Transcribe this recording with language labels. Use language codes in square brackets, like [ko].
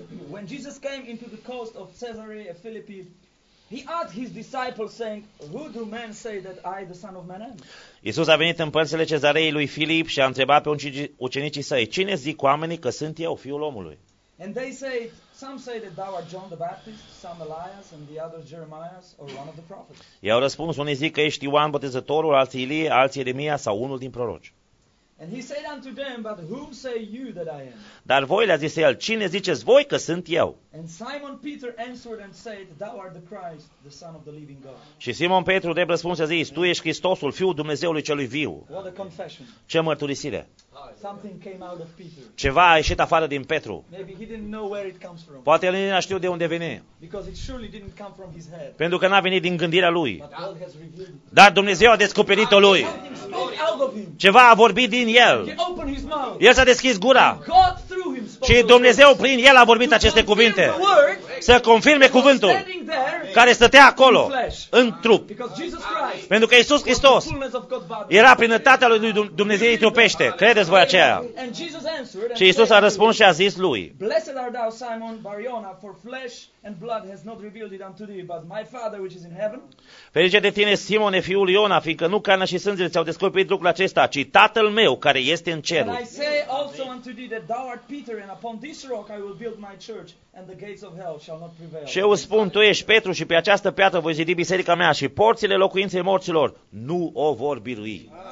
[en] When Jesus came into the coast of Caesarea Philippi, He asked his disciples saying, "Who do men say that I, the Son of Man, am?" [ro] Iisus a venit în părțile Cezarei lui Filip și a întrebat pe ucenicii săi, "Cine zic oamenii că sunt eu, Fiul omului?" [en] And they say, some say that thou art John the Baptist, some Elias, and the others Jeremiah, or one of the prophets. [ro] I-au răspuns, unii zic că ești Ioan Botezătorul, alții Ilie, alții Ieremia sau unul din proroci. [en] And he said unto them, "But whom say you that I am?" [ro] Dar voi, le-a zis el, cine ziceți voi că sunt eu? [en] And Simon Peter answered and said, "Thou art the Christ, the Son of the living God." [ro] Și Simon Petru de răspuns a zis, tu ești Hristosul, Fiul Dumnezeului celui viu. [en] What a confession. [ro] Ce mărturisire. [en] Something came out of Peter. [ro] Ceva a ieșit afară din Petru. [en] Maybe he didn't know where it comes from. [ro] Poate el nu a știut de unde vine. [en] Because it surely didn't come from his head. [ro] Pentru că n-a venit din gândirea lui. [en] But God has revealed. [ro] Dar Dumnezeu a descoperit-o lui. Ceva a vorbit din el. El s-a deschis gura. Și Dumnezeu prin el a vorbit aceste cuvinte. Să confirme cuvântul care stătea acolo în trup. Pentru că Iisus Hristos era plinătatea lui Dumnezeu trupește. Credeți voi aceea? Și Iisus a răspuns și a zis lui, [en] "Blessed art thou, Simon Bariona, for flesh and blood has not revealed it unto thee, but my Father which is in heaven." [ro] Ferice de tine, Simone, fiul Iona, fiindcă nu carnea și sângele ți-au descoperit lucrul acesta, ci Tatăl meu care este în ceruri. [en] And I say also unto thee that thou art Peter, and upon this rock I will build my church, and the gates of hell shall not prevail. [ro] Și eu spun, tu ești Petru și pe această piatră voi zidi biserica mea și porțile locuinței morților nu o vor birui.